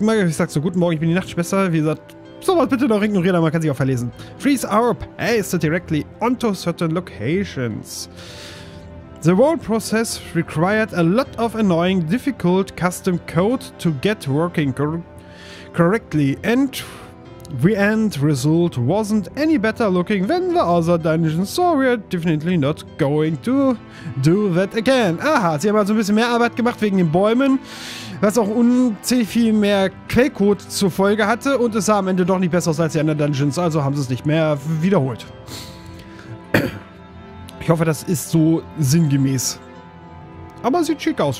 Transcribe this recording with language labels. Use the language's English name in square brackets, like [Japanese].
[German] Ich sag so, guten Morgen, ich bin die Nachtschwester. Wie gesagt, sowas bitte noch ignorieren, man kann sich auch verlesen. [English] Freeze our path directly onto certain locations. The whole process required a lot of annoying, difficult custom code to get working correctly, and the end result wasn't any better looking than the other dungeons, so we're definitely not going to do that again. [German] Aha, sie haben also ein bisschen mehr Arbeit gemacht wegen den Bäumen, was auch unzählig viel mehr Quellcode zur Folge hatte, und es sah am Ende doch nicht besser aus als die anderen Dungeons, also haben sie es nicht mehr wiederholt. Ich hoffe, das ist so sinngemäß. Aber sieht schick aus.